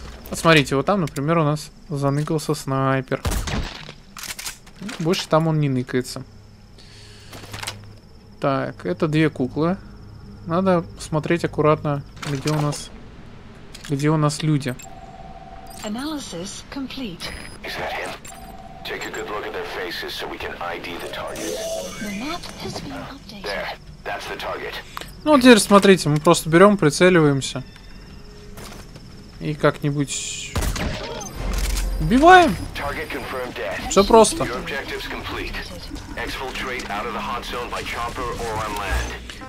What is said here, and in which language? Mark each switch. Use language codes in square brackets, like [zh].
[ru] Вот смотрите, вот там, например, у нас заныкался снайпер. Больше там он не ныкается. Так, это две куклы. Надо смотреть аккуратно, где у нас люди. Анализ комплит. [en] Take a good look at their faces so we can ID the target. The map has been updated. There, that's the target. [ru] Ну, теперь смотрите, мы просто берем, прицеливаемся. И как-нибудь... Убиваем! [en] Target confirmed dead. [ru] Все просто. [en] Your objective's complete. Exfiltrate out of the hot zone by chopper or on land.